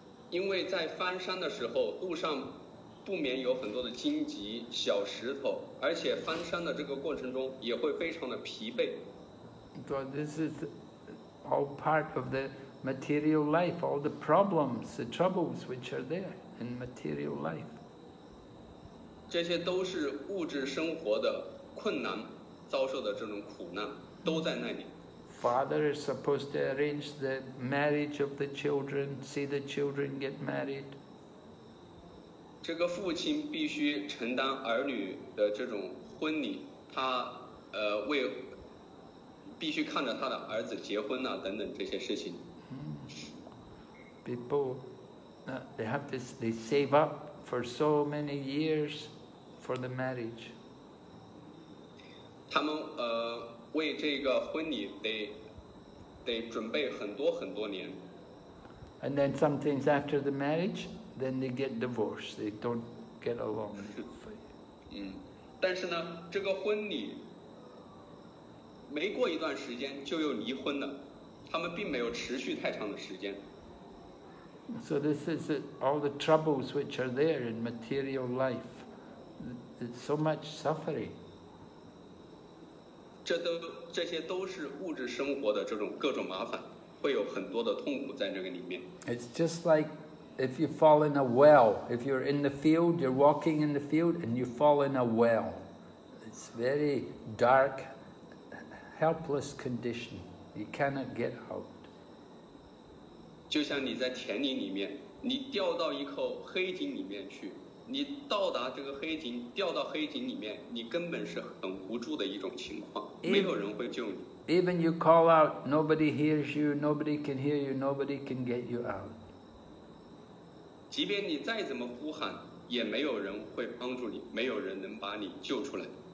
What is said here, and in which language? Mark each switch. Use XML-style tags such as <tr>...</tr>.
<zh>因为在翻山的时候，路上不免有很多的荆棘、小石头，而且翻山的这个过程中也会非常的疲惫。</zh> <en>So this is all part of the material life, all the problems, the troubles which are there in material life.</en> <zh>这些都是物质生活的困难遭受的这种苦难都在那里。</zh> <en>Father is supposed to arrange the marriage of the children, see the children get married.</en> <zh>这个父亲必须承担儿女的这种婚礼，他为必须看着他的儿子结婚啊等等这些事情。</zh> <en>People, they have to, they save up for so many years for the marriage.</en> <zh>他们为这个婚礼得准备很多很多年。</zh> <en>And then sometimes after the marriage, then they get divorced. They don't get along.</en> <zh>嗯，但是呢，这个婚礼没过一段时间就又离婚了，他们并没有持续太长的时间。</zh> <en>So this is it, all the troubles which are there in material life. It's so much suffering.</en> <zh>这些都是物质生活的这种各种麻烦，会有很多的痛苦在这个里面。</zh> <en>It's just like if you fall in a well, if you're in the field, you're walking in the field and you fall in a well. It's very dark, helpless condition. You cannot get out.</en> <zh>就像你在田林里面，你掉到一口黑井里面去，你到达这个黑井，掉到黑井里面，你根本是很无助的一种情况，没有人会救你。</zh> <en>Even you call out, nobody hears you, nobody can hear you, nobody can get you out.</en> <zh>即便你再怎么呼喊，也没有人会帮助你，没有人能把你救出来。</zh>